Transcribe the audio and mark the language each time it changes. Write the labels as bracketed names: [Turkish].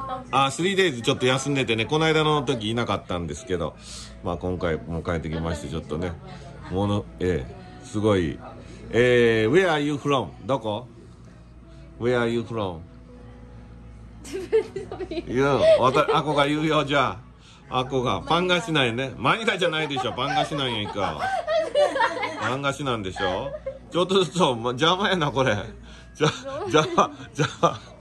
[Japanese] あ、 [English] 3 days [Japanese] ちょっと休んでてね、この間の時いなかったんですけど、まあ今回も帰ってきまして、ちょっとね、もの、すごい、 [English] Where are you from? [Japanese] どこ [English] Where are you from? You, [Japanese] アコが言うよ、じゃあ。アコが、パンガシなんやね。マニラじゃないでしょ、パンガシなんやんか。パンガシなんでしょ。ちょっとずつ、邪魔やな、これ。邪魔。